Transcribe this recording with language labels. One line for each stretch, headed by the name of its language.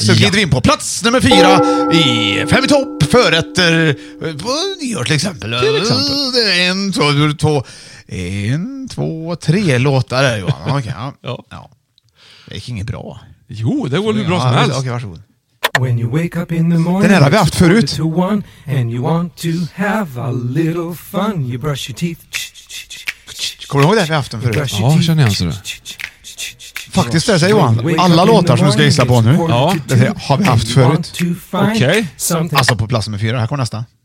Swedish: Så glider vi in på plats nummer 4 i Fem i topp. Förrätter. Gör till exempel. Det är 1, 2, 2... 1, 2, 3 låtar där, Johan. Okej. Okay, ja. Det gick inget bra. Jo, det går hur bra som helst. Okej, varsågod.
English: When you wake up in the morning,
Swedish: den här har vi haft förut.
English: And you want to have a little fun. You brush your teeth.
Swedish: Kommer du ihåg det här vi har haft den förut? Ja, känner jag så det. Faktiskt det, säger Johan. Alla låtar som du ska gissa på nu, ja, det har vi haft förut. Okej. Okay. Alltså på plats med 4. Här kommer nästa.